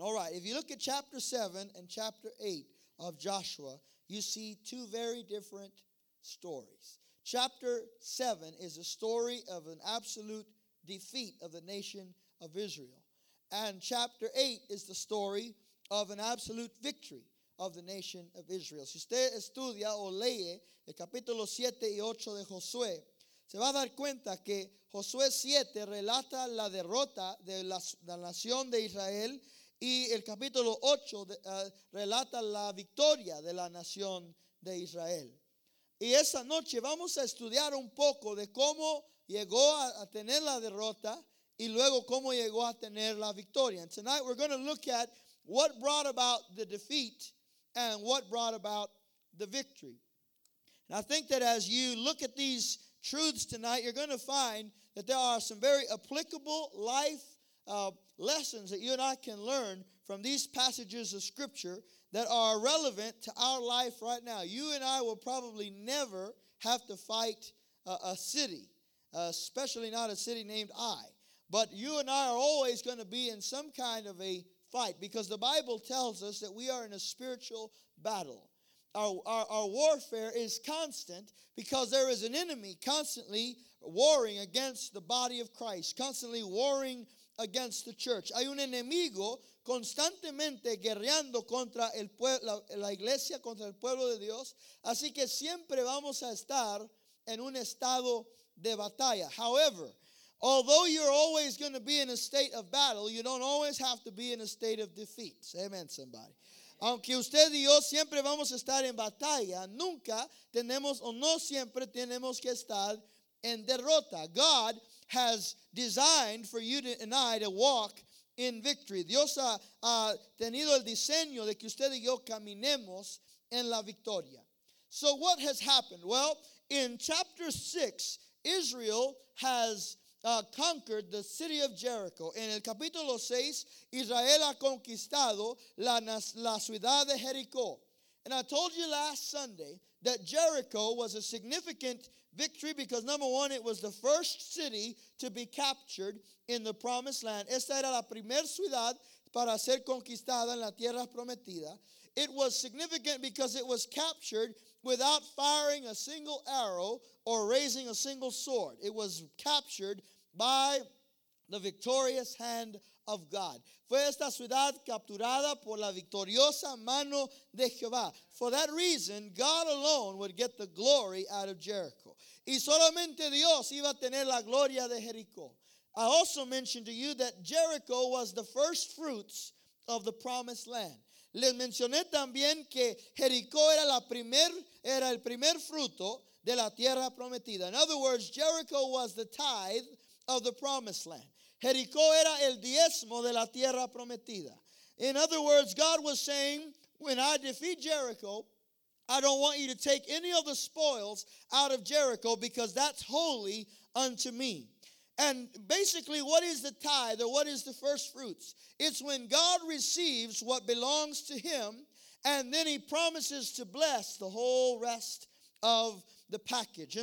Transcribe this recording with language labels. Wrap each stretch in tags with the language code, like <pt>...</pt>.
<en>All right, if you look at chapter 7 and chapter 8 of Joshua, you see two very different stories. Chapter 7 is a story of an absolute defeat of the nation of Israel. And chapter 8 is the story of an absolute victory of the nation of Israel.</en> <es>Si usted estudia o lee el capítulo 7 y 8 de Josué, se va a dar cuenta que Josué 7 relata la derrota de la nación de Israel y el capítulo 8 relata la victoria de la nación de Israel. Y esa noche vamos a estudiar un poco de cómo llegó a tener la derrota y luego cómo llegó a tener la victoria.</es> <en>And tonight we're going to look at what brought about the defeat and what brought about the victory. And I think that as you look at these truths tonight, you're going to find that there are some very applicable life lessons that you and I can learn from these passages of Scripture that are relevant to our life right now. You and I will probably never have to fight a city. Especially not a city named Ai. But you and I are always going to be in some kind of a fight because the Bible tells us that we are in a spiritual battle. Our warfare is constant because there is an enemy constantly warring against the body of Christ, constantly warring against the church.</en> <es>Hay un enemigo constantemente guerreando contra el pueblo, la iglesia, contra el pueblo de Dios. Así que siempre vamos a estar en un estado de batalla.</es> <en>However, although you're always going to be in a state of battle, you don't always have to be in a state of defeat. Say amen, somebody.</en> <es>Aunque usted y yo siempre vamos a estar en batalla, nunca tenemos o no siempre tenemos que estar en derrota. God</es> <en>has designed for you and I to walk in victory.</en> <es>Dios ha tenido el diseño de que usted y yo caminemos en la victoria.</es> <en>So what has happened? Well, in chapter 6, Israel has conquered the city of Jericho.</en> <es>En el capítulo 6, Israel ha conquistado la ciudad de Jericó.</es> <en>And I told you last Sunday that Jericho was a significant victory because, number one, it was the first city to be captured in the promised land.</en> <es>Esta era la primera ciudad para ser conquistada en la tierra prometida.</es> <en>It was significant because it was captured without firing a single arrow or raising a single sword. It was captured by the victorious hand of God.</en> <es>Fue esta ciudad capturada por la victoriosa mano de Jehová.</es> <en>For that reason, God alone would get the glory out of Jericho.</en> <es>Y solamente Dios iba a tener la gloria de Jericó.</es> <en>I also mentioned to you that Jericho was the first fruits of the promised land.</en> <es>Les mencioné también que Jericó era el primer fruto de la tierra prometida.</es> <en>In other words, Jericho was the tithe of the promised land.</en> <es>Jericó era el diezmo de la tierra prometida.</es> <en>In other words, God was saying, when I defeat Jericho, I don't want you to take any of the spoils out of Jericho because that's holy unto me. And basically, what is the tithe or what is the first fruits? It's when God receives what belongs to him and then he promises to bless the whole rest of the package.</en>